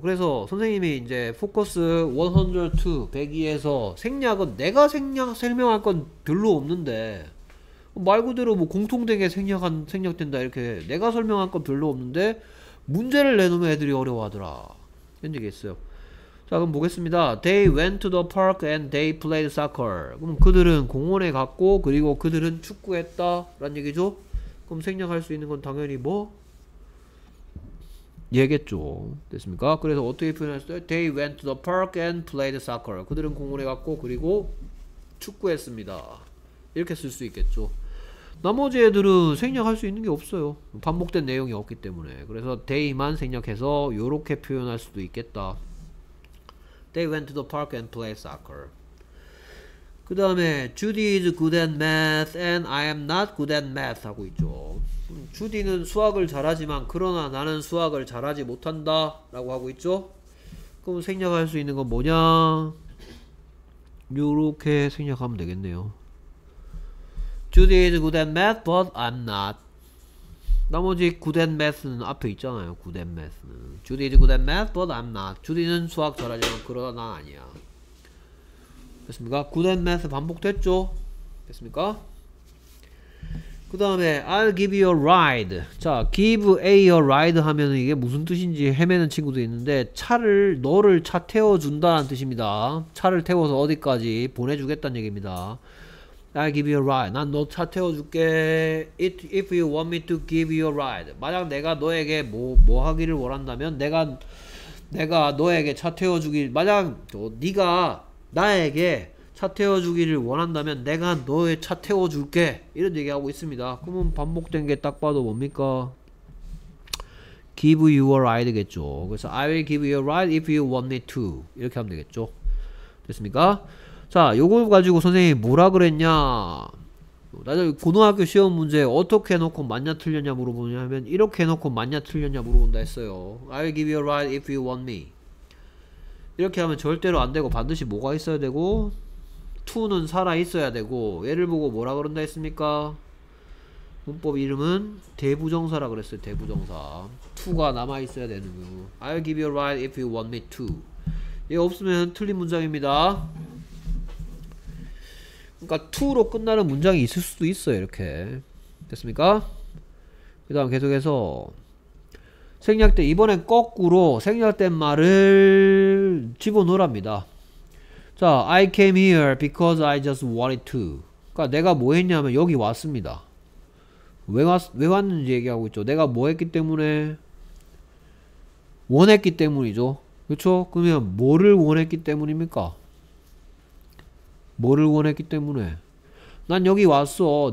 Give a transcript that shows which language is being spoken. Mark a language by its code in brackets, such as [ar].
[ko] 그래서 선생님이 이제 포커스 102, 102에서 생략은 내가 생략 설명할 건 별로 없는데, 말 그대로 뭐 공통된 게 생략된다 이렇게 내가 설명할 건 별로 없는데 문제를 내놓으면 애들이 어려워하더라 이런 얘기 했어요. 자, 그럼 보겠습니다. [en] They went to the park and they played soccer. [ko] 그럼 그들은 공원에 갔고 그리고 그들은 축구했다 라는 얘기죠. 그럼 생략할 수 있는 건 당연히 뭐? 얘겠죠. 됐습니까? 그래서 어떻게 표현했어요? [en] They went to the park and played soccer. [ko] 그들은 공원에 갔고 그리고 축구했습니다. 이렇게 쓸 수 있겠죠. 나머지 애들은 생략할 수 있는 게 없어요. 반복된 내용이 없기 때문에. 그래서 they만 생략해서 이렇게 표현할 수도 있겠다. [en] They went to the park and played soccer. [ko] 그 다음에 [en] Judy is good at math and I am not good at math [ko] 하고 있죠. 주디는 수학을 잘하지만 그러나 나는 수학을 잘하지 못한다 라고 하고 있죠. 그럼 생략할 수 있는 건 뭐냐, 요렇게 생략하면 되겠네요. [en] Judy is good at math but I'm not. 나머지 good at math는 [ko] 앞에 있잖아요. [en] good at math는 Judy is good at math but I'm not. [ko] 주디는 수학 잘하지만 그러나 난 아니야. 됐습니까? [en] Good and math [ko] 반복됐죠? 됐습니까? 그 다음에 [en] I'll give you a ride. [ko] 자, [en] give A a ride [ko] 하면 이게 무슨 뜻인지 헤매는 친구도 있는데 차를, 너를 차 태워준다는 뜻입니다. 차를 태워서 어디까지 보내주겠다는 얘기입니다. [en] I'll give you a ride. [ko] 난 너 차 태워줄게. [en] If you want me to give you a ride. [ko] 만약 내가 너에게 뭐 하기를 원한다면 내가 너에게 차 태워주길, 만약 네가 나에게 차 태워주기를 원한다면 내가 너의 차 태워줄게 이런 얘기하고 있습니다. 그러면 반복된 게 딱 봐도 뭡니까? [en] Give you a ride겠죠. [ko] 그래서 [en] I will give you a ride if you want me to [ko] 이렇게 하면 되겠죠. 됐습니까? 자, 요걸 가지고 선생님이 뭐라 그랬냐, 나중에 고등학교 시험 문제 어떻게 해놓고 맞냐 틀렸냐 물어보냐면 이렇게 해놓고 맞냐 틀렸냐 물어본다 했어요. [en] I will give you a ride if you want me. [ko] 이렇게 하면 절대로 안 되고 반드시 뭐가 있어야 되고, to는 살아 있어야 되고, 얘를 보고 뭐라 그런다 했습니까? 문법 이름은 대부정사라 그랬어요. 대부정사. to가 남아 있어야 되는 거. [en] I'll give you a ride if you want me to. [ko] 얘 없으면 틀린 문장입니다. 그러니까 to로 끝나는 문장이 있을 수도 있어요. 이렇게. 됐습니까? 그다음 계속해서 생략된, 이번엔 거꾸로 생략된 말을 집어넣으랍니다. [en] 자, I came here because I just wanted to. [ko] 그러니까 내가 뭐 했냐면 여기 왔습니다. 왜 왔는지 얘기하고 있죠. 내가 뭐 했기 때문에, 원했기 때문이죠. 그렇죠? 그러면 뭐를 원했기 때문입니까? 뭐를 원했기 때문에, 난 여기 왔어.